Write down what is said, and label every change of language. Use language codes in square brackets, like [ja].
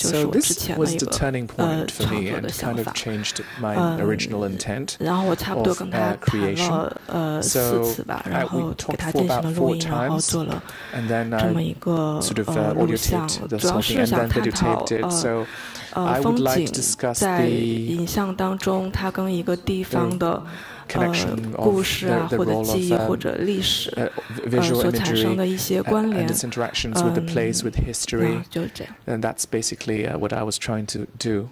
[en] So this was the turning point for me and kind of changed my original intent of creation. So we talked for about four times, and then I sort of audio taped the whole thing, and then videotaped it. [zh] 风景在影像当中它跟一个地方的故事啊或者记忆或者历史所产生的一些关联 [en] and its interactions with the place with history and that's basically what I was trying to do